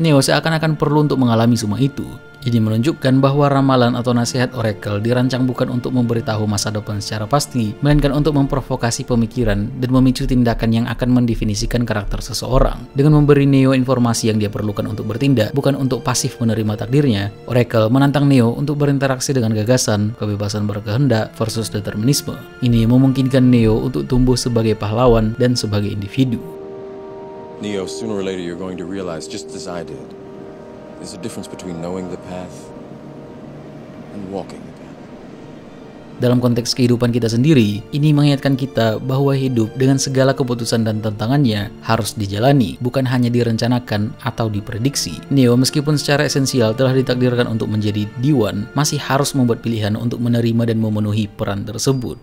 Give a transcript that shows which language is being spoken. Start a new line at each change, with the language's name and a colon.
Indonesian: Neo seakan-akan perlu untuk mengalami semua itu. Ini menunjukkan bahwa ramalan atau nasihat Oracle dirancang bukan untuk memberitahu masa depan secara pasti, melainkan untuk memprovokasi pemikiran dan memicu tindakan yang akan mendefinisikan karakter seseorang. Dengan memberi Neo informasi yang dia perlukan untuk bertindak, bukan untuk pasif menerima takdirnya, Oracle menantang Neo untuk berinteraksi dengan gagasan, kebebasan berkehendak versus determinisme. Ini memungkinkan Neo untuk tumbuh sebagai pahlawan dan sebagai individu.
English: Neo, sooner or later you're going to realize just as I did. There's a difference between knowing the path and walking.
Indonesian: Dalam konteks kehidupan kita sendiri, ini mengingatkan kita bahwa hidup dengan segala keputusan dan tantangannya harus dijalani, bukan hanya direncanakan atau diprediksi. Neo, meskipun secara esensial telah ditakdirkan untuk menjadi D1, masih harus membuat pilihan untuk menerima dan memenuhi peran tersebut.